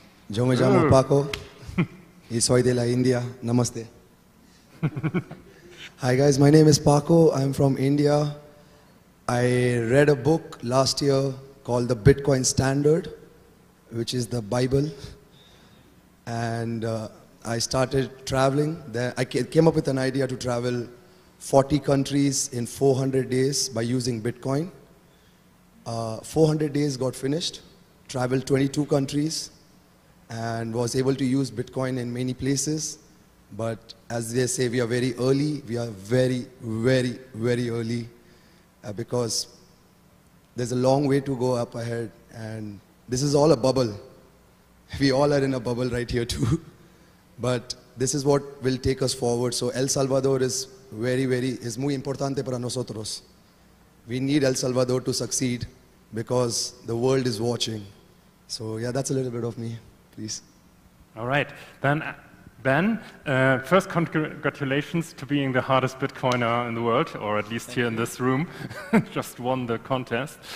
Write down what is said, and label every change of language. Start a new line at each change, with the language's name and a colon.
Spanish: Yo me llamo Paco, y soy de la India.
Hindi: Namaste.
English: Hi guys, my name is Paco, I'm from India. I read a book last year called The Bitcoin Standard, which is the Bible. And I started traveling. I came up with an idea to travel 40 countries in 400 days by using Bitcoin. 400 days got finished, traveled 22 countries, and was able to use Bitcoin in many places. But as they say, we are very early. We are very, very, very early because there's a long way to go up ahead. And this is all a bubble. We all are in a bubble right here too. But this is what will take us forward.
Spanish: So El Salvador
English: is is
Spanish: muy importante para nosotros.
English: We need El Salvador to succeed because the world is watching. So yeah, that's a little bit of me, please. All right, Ben, first congratulations to being the hardest Bitcoiner in the world, or at least here in this room, just won the contest.